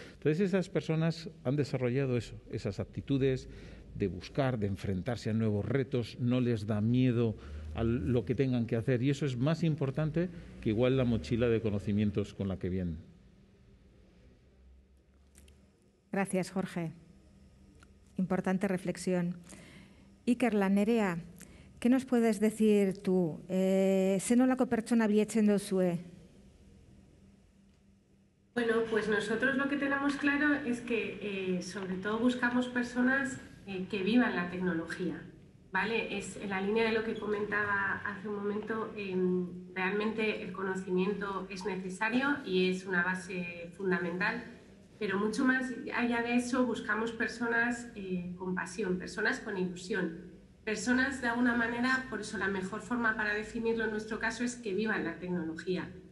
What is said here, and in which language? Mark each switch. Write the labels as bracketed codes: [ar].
[es] Entonces, esas personas han desarrollado eso, esas actitudes de buscar, de enfrentarse a nuevos retos, no les da miedo a lo que tengan que hacer. Y eso es más importante que igual la mochila de conocimientos con la que vienen. Gracias, Jorge. Importante reflexión. Iker Lanerea, ¿qué nos puedes decir tú? [eu] ¿Zenolako pertsona bilatzen duzue? [es] Bueno, pues nosotros lo que tenemos claro es que sobre todo buscamos personas que vivan la tecnología. Vale, es en la línea de lo que comentaba hace un momento, realmente el conocimiento es necesario y es una base fundamental, pero mucho más allá de eso buscamos personas con pasión, personas con ilusión, personas de alguna manera, por eso la mejor forma para definirlo en nuestro caso es que vivan la tecnología.